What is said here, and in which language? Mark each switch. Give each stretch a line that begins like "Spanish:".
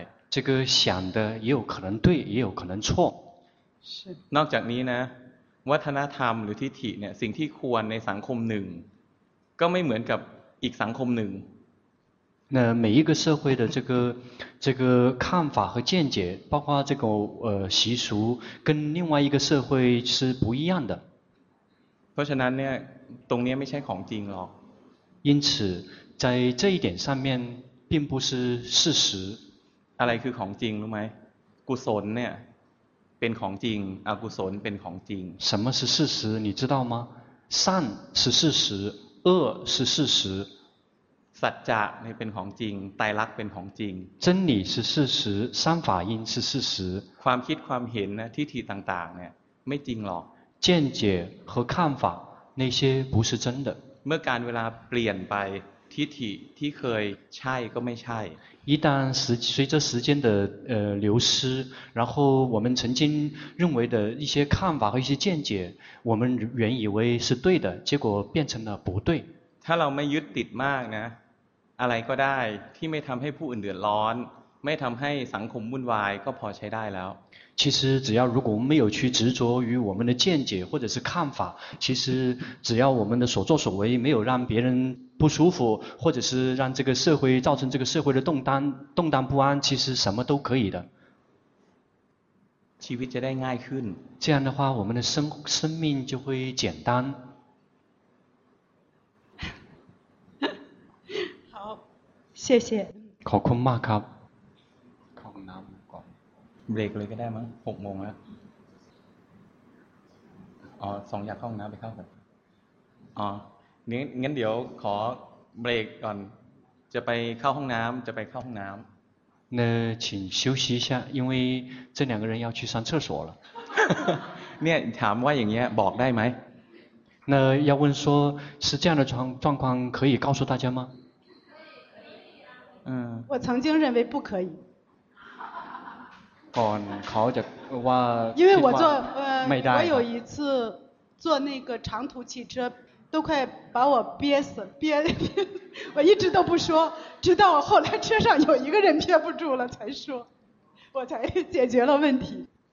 Chinese: 这个想的也有可能对，也有可能错。
Thai: นอกจากนี้นะ，วัฒนธรรมหรือทิฏฐิเนี่ย，สิ่งที่ควรในสังคมหนึ่งก็ไม่เหมือนกับอีกสังคมหนึ่ง
Chinese: 那每一个社会的这个看法和见解包括这个习俗跟另外一个社会是不一样的
Thai: เพราะฉะนั้นเนี่ยตรงนี้ไม่ใช่ของจริงหรอก
Chinese: 因此在这一点上面并不是事实
Thai: อะไรคือของจริงรู้ไหมกุศลเนี่ยเป็นของจริงอกุศลเป็นของจริง
Chinese: 什么是事实你知道吗善是事实恶是事实
Thai: สัจจะเนี่ยเป็นของจริงไตรลักษณ์เป็นของจริง
Chinese: 真理是事实三法印是事实
Thai: ความคิดความเห็นนะทิฏฐิต่างๆเนี่ยไม่จริงหรอก
Chinese: 见解和看法那些不是真的
Thai: เมื่อการเวลาเปลี่ยนไปทิฏฐิที่เคยใช่ก็ไม่ใช่
Chinese: 一旦随着时间的流失然后我们曾经认为的一些看法和一些见解我们原以为是对的结果变成了不对
Thai: ถ้าเราไม่ยึดติดมากนะอะไรก็ได้ที่ไม่ทำให้ผู้อื่นเดือดร้อนไม่ทำให้สังคมวุ่นวายก็พอใช้ได้แล้ว
Chinese: 其实只要如果我们没有去执着于我们的见解或者是看法其实只要我们的所作所为没有让别人不舒服或者是让这个社会造成这个社会的动荡不安其实什么都可以的
Thai: ชีวิตจะได้ง่ายขึ้น
Chinese: 这样的话我们的生命就会简单好谢谢
Thai: ขอบคุณมากครับ ขอบคุณน้ำก่อน เบรกเลยก็ได้มั้ง6โมงแล้วอ๋อ2อยากเข้าห้องน้ำไปเข้าก่อนอ๋องั้นเดี๋ยวขอเบรกก่อนจะไปเข้าห้องน้ำจะไปเข้าห้องน้ำ
Chinese: 那请休息一下因为这两个人要去上厕所了
Thai: เนี่ยถามว่าอย่างเงี้ยบอกได้ไหม
Chinese: 那要问说是这样的状况可以告诉大家吗我曾经认为不可以
Thai: ก่อนเขาจะว่า
Chinese: 因为我坐我有一次坐那个长途汽车都快把我憋死了 憋我一直都不说直到我后来车上有一个人憋不住了才说我才解决了问题